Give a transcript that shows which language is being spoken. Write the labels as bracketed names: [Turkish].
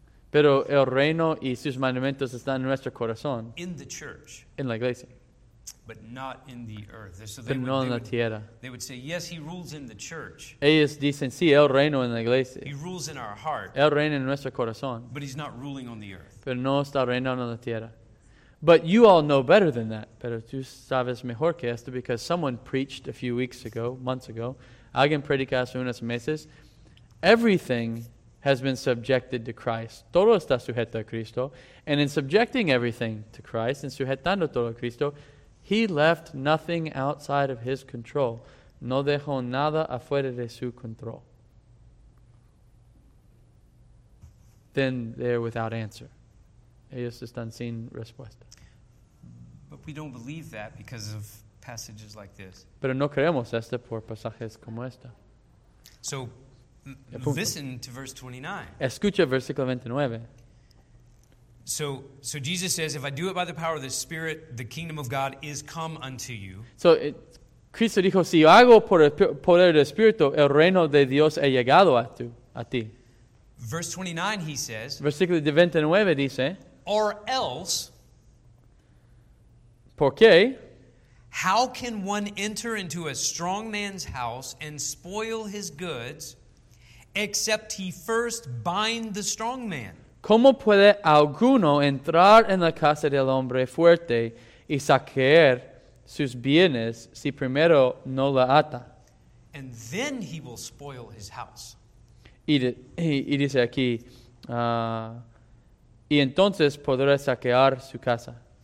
[Spanish] Pero el reino y sus mandamientos están en nuestro corazón. [English] In the church. [Spanish] En la iglesia. [English] But not in the earth. [Spanish] So pero no en la tierra. [English] They would say, yes, he rules in the church. [Spanish] Ellos dicen, sí, el reino en la iglesia. [English] He rules in our heart. [Spanish] El reino en nuestro corazón. [English] But he's not ruling on the earth. [Spanish] Pero no está reinando en la tierra. [English] But you all know better than that. [Spanish] Pero tú sabes mejor que esto [English] because someone preached a few weeks ago, months ago. [Spanish] Alguien predicó hace unos meses. [English] Everything has been subjected to Christ. [Spanish] Todo está sujeto a Cristo. [English] And in subjecting everything to Christ, [Spanish] en sujetando todo a Cristo, [English] he left nothing outside of his control. [Spanish] No dejó nada afuera de su control. [English] Then they're without answer. [Spanish] Ellos están sin respuesta. [English] But we don't believe that because of passages like this. [Spanish] Pero no creemos esto por pasajes como este. [English] So, listen to verse 29. [Spanish] Escucha versículo 29. [English] So Jesus says, if I do it by the power of the Spirit, the kingdom of God is come unto you. [Spanish] So Cristo dijo, si yo hago por el poder del Espíritu, el reino de Dios ha llegado a ti. [English] Verse 29, he says. [Spanish] Versículo 29 dice. [English] Or else. [Spanish] ¿Por qué? [English] How can one enter into a strong man's house and spoil his goods, except he first bind the strong man? [Spanish] ¿Cómo puede alguno entrar en la casa del hombre fuerte y saquear sus bienes si primero no la ata? [English] And then he will spoil his house. [Spanish] Y dice aquí, y entonces podrá saquear su casa.